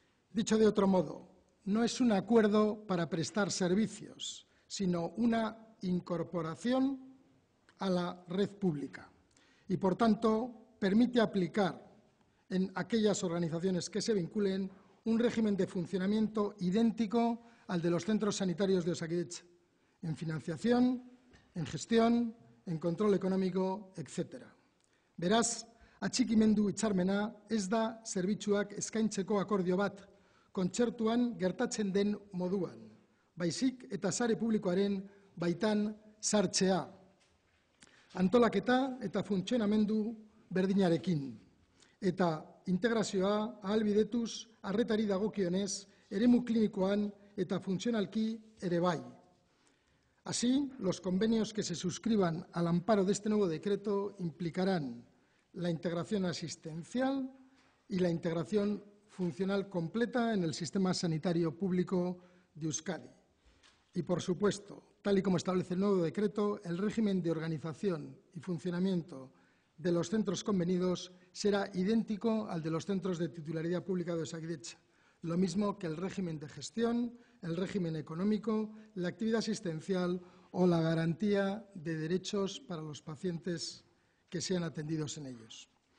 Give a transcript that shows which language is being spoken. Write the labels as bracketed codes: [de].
[es] Dicho de otro modo, no es un acuerdo para prestar servicios, sino una incorporación a la red pública y, por tanto, permite aplicar en aquellas organizaciones que se vinculen un régimen de funcionamiento idéntico al de los centros sanitarios de Osakidetza, en financiación, en gestión, en control económico, etc. [eu] Beraz, atxikimendu hitzarmena ez da zerbitzuak eskaintzeko akordio bat, kontzertuan gertatzen den moduan, baizik eta sare publikoaren baitan sartzea. Antolaketa eta funtzionamendu berdinarekin. Eta integrazioa ahalbidetuz arretari dagokionez eremu klinikoan eta funtzionalki ere bai. [es] Así, los convenios que se suscriban al amparo de este nuevo decreto implicarán la integración asistencial y la integración funcional completa en el sistema sanitario público de Euskadi. Y, por supuesto, tal y como establece el nuevo decreto, el régimen de organización y funcionamiento de los centros convenidos será idéntico al de los centros de titularidad pública de Osakidetza, lo mismo que el régimen de gestión, el régimen económico, la actividad asistencial o la garantía de derechos para los pacientes que sean atendidos en ellos.